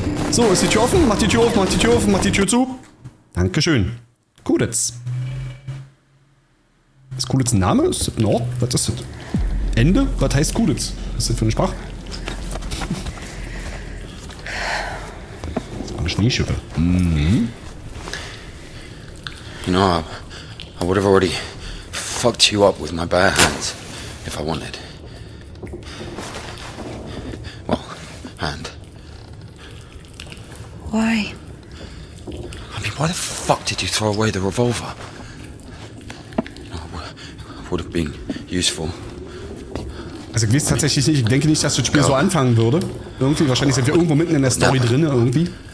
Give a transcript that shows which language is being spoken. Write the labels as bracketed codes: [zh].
[de] So, ist die Tür offen? Mach die Tür auf, mach die Tür auf, mach die Tür zu. Dankeschön. Kuditz. Ist Kuditz ein Name? Ist das ein Ort? Was ist das? Ende? Was heißt Kuditz? Was ist das für eine Sprache? Das war eine Schneeschippe. [en] You know, I would have already fucked you up with my bare hands if I wanted. Well, hand. Why? I mean, why the fuck did you throw away the revolver? It would have been useful. [de] Also, ich weiß tatsächlich nicht, ich denke nicht, dass das Spiel so anfangen würde. Irgendwie, wahrscheinlich sind wir irgendwo mitten in der Story drin, irgendwie.